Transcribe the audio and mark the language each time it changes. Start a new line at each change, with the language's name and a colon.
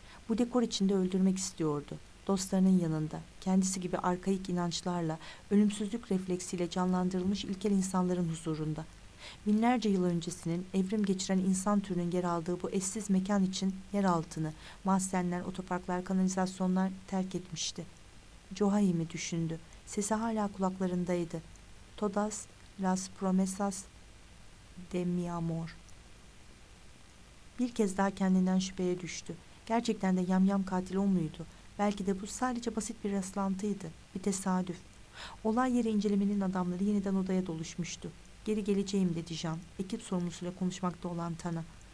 Turkish: Bu dekor içinde öldürmek istiyordu. Dostlarının yanında, kendisi gibi arkaik inançlarla, ölümsüzlük refleksiyle canlandırılmış ilkel insanların huzurunda. Binlerce yıl öncesinin evrim geçiren insan türünün yer aldığı bu eşsiz mekan için yer altını, mahzenler, otoparklar, kanalizasyonlar terk etmişti. Joachim'i düşündü. Sesi hala kulaklarındaydı.
Spanish: Todas las promesas de mi amor.
Turkish: Bir kez daha kendinden şüpheye düştü. Gerçekten de yamyam katil o muydu? Belki de bu sadece basit bir rastlantıydı, bir tesadüf. Olay yeri incelemenin adamları yeniden odaya doluşmuştu. Geri geleceğim dedi Jean, ekip sorumlusuyla konuşmakta olan Tan'a.